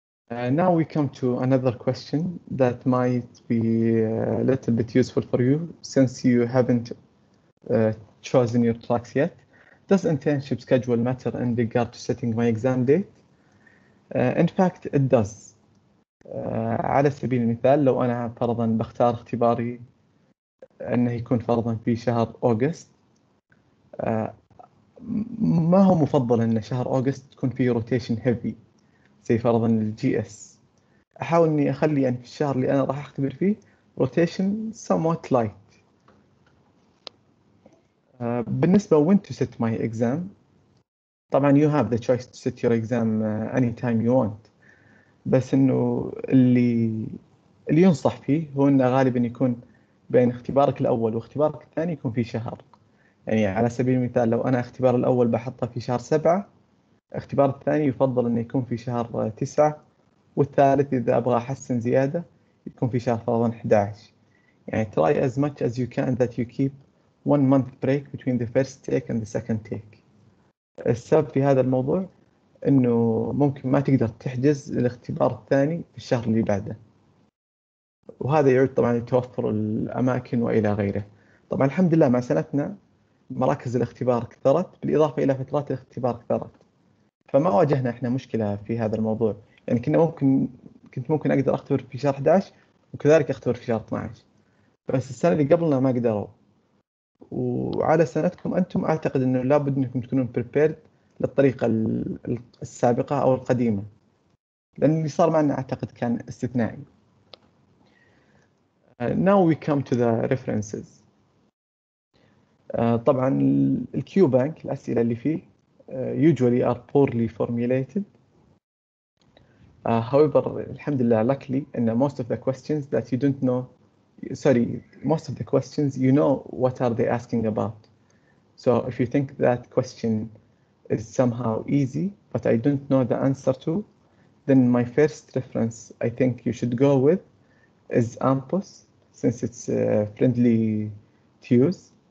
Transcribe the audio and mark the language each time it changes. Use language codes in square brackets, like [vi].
[en] Now we come to another question that might be a little bit useful for you, since you haven't chosen your tracks yet. Does internship schedule matter in regard to setting my exam date? In fact, it does. [ar] على سبيل المثال لو أنا فرضا بختار اختباري أنه يكون فرضا في شهر أغسطس، ما هو مفضل أن شهر أغسطس تكون فيه روتيشن هيفي زي فرضا الجي اس. أحاول أني أخلي يعني في الشهر اللي أنا راح أختبر فيه روتيشن [en] somewhat light. [ar] بالنسبة [en] when to set my exam، [ar] طبعا [en] you have the choice to set your exam anytime you want، [ar] بس انه اللي ينصح فيه هو انه غالبا يكون بين اختبارك الاول واختبارك الثاني يكون في شهر. يعني على سبيل المثال لو انا اختبار الاول بحطه في شهر 7، اختبار الثاني يفضل انه يكون في شهر 9، والثالث اذا ابغى احسن زياده يكون في شهر 11. يعني [en] try as much as you can that you keep 1 month break between the first take and the second take. [ar] السبب في هذا الموضوع إنه ممكن ما تقدر تحجز الاختبار الثاني في الشهر اللي بعده، وهذا يعود طبعا لتوفر الأماكن وإلى غيره. طبعا الحمد لله مع سنتنا مراكز الاختبار كثرت، بالإضافة إلى فترات الاختبار كثرت، فما واجهنا إحنا مشكلة في هذا الموضوع. يعني كنت ممكن أقدر أختبر في شهر 11 وكذلك أختبر في شهر 12، بس السنة اللي قبلنا ما قدروا. وعلى سنتكم أنتم أعتقد إنه لابد إنكم تكونون prepared للطريقة السابقة أو القديمة، لأن اللي صار معنا أعتقد كان استثنائي. [en] Now we come to the references. [ar] طبعاً الـ Q-Bank الأسئلة اللي فيه [en] usually are poorly formulated. However, [ar] الحمد لله [en] luckily إن most of the questions that you don't know, sorry, most of the questions you know what are they asking about. So if you think that question is somehow easy, but I don't know the answer to, then my first reference I think you should go with is AMPUS, since it's friendly to use.